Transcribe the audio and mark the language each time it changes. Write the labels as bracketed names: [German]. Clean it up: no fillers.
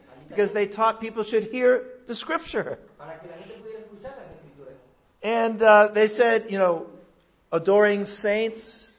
[English] because they taught people should hear the scripture. [Spanish] Para que la gente pudiera escuchar las escrituras. [English] And they said, you know, adoring saints.